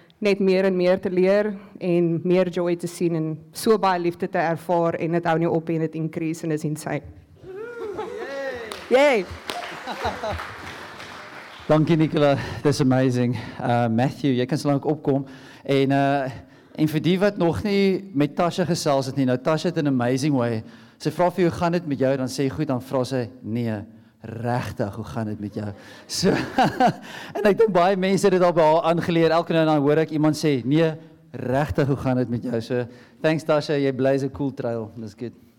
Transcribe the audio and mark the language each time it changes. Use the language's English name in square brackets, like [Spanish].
[Afrikaans] net meer en meer te leer en meer [English] joy [Afrikaans] te sien en so baie liefde te ervaar en het hou nie op en het increase en is insane. Yay! Yay. Dankie [English] Nicola, that's amazing. [Afrikaans] Matthew, jy kan so lank opkom en vir die wat nog nie met Tasha gesels het nie, nou Tasha het [English] an amazing way, [Afrikaans] sy vraag vir jou, gaan dit met jou, dan sê jy goed, dan vraag sy, nee, regtig, hoe gaan dit met jou? So, en ek dink baie mense het al by haar aangeleer, elke nou en dan hoor ek iemand sê, nee, regtig, hoe gaan dit met jou? [English] So, thanks Tasha, [Afrikaans] jy [English] blaze a cool trail, that's good.